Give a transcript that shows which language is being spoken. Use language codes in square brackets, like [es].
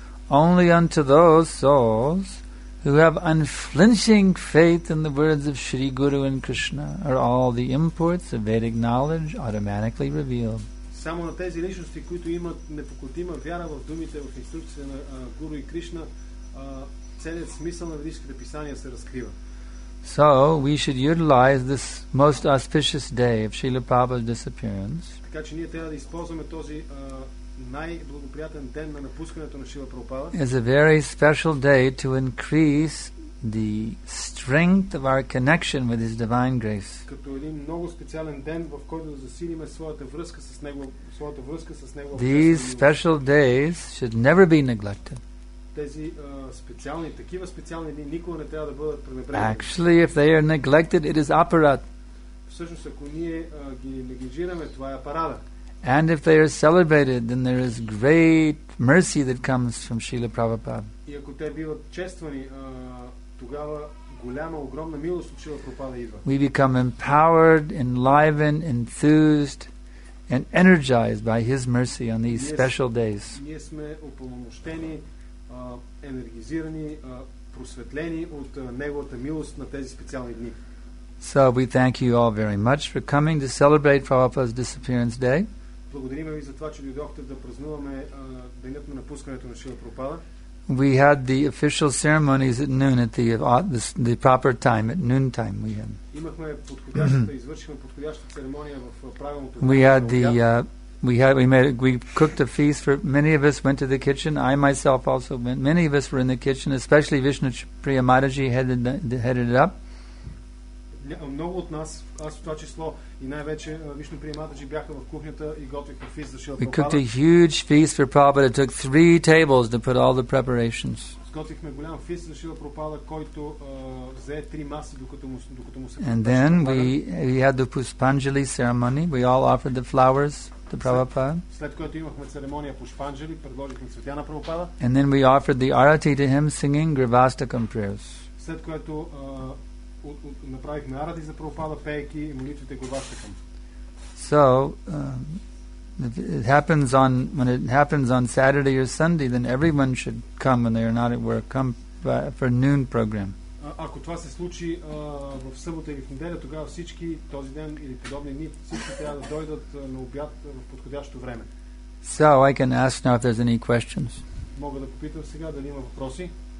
[en] Only unto those souls who have unflinching faith in the words of Sri Guru and Krishna are all the imports of Vedic knowledge automatically revealed. [bg] Само на тези личности, които имат непоколтима вяра в думите, в инструкциите на Гуру и Кришна, целият смисъл на ведическите писания се разкрива. [en] So we should utilize this most auspicious day of Srila Prabhupada's disappearance. [bg] Така че ние трябва да използваме този най-благоприятен ден на напускането на Шрила Прабхупада. [en] It's a very special day to increase the strength of our connection with His divine grace. [bg] Като един много специален ден, в който да засилиме своята връзка с него, своята връзка с него. [en] These special days should never be neglected. [bg] Тези специални, такива специални дни никога не трябва да бъдат пренебрегнати. [en] Actually, if they are neglected, it is aparad. [bg] Всъщност, ако ние ги неглижираме, това е апарада. [en] And if they are celebrated, then there is great mercy that comes from Srila Prabhupada. [bg] И ако те биват чествани, тогава голяма, огромна милост от Шрила Прабхупада идва. [en] We become empowered, enlivened, enthused, and energized by His mercy on these special days. [bg] Ние сме упълномощени, енергизирани, просветлени от Неговата милост на тези специални дни. [en] So we thank you all very much for coming to celebrate Prabhupada's disappearance day. [bg] Благодарим ви за това, че дойдохте да празнуваме денят на напускането на Шрила Прабхупада. [en] We had the official ceremonies at noon at the proper time, at noon time we had. [bg] Имахме подходящата, извършихме подходящата церемония в правилното време. [en] We cooked a feast for many of us, went to the kitchen. I myself also went. Many of us were in the kitchen, especially Vishnu Priya Mataji headed it up. [bg] Много от нас, аз в това число и най-вече Вишну Приематаджи бяха в кухнята и готвиха фист за Шрила Прабхупада. [en] We cooked a huge feast for Prabhupada. It took 3 tables to put all the preparations. [bg] Сготвихме голям фист за Шрила Прабхупада, който взе 3 маси, докато му се [en] And then we had the Pushpanjali ceremony. We all offered the flowers to Prabhupada. [bg] След което имахме церемония Пушпанджали, предложихме цветя на Прабхупада. [en] And then we offered the arati to him, singing Gravastakam prayers. [bg] След което направихме аради за Прабхупада, пейки и молитвите Гурвастакам. [en] So, when it happens on Saturday or Sunday, then everyone should come when they are not at work, come for noon program. [bg] Ако това се случи в събота или в неделя, тогава всички този ден или подобни дни, всички трябва да дойдат на обяд в подходящо време. [en] So, I can ask now if there's any questions. [bg] Мога да попитам сега дали има въпроси.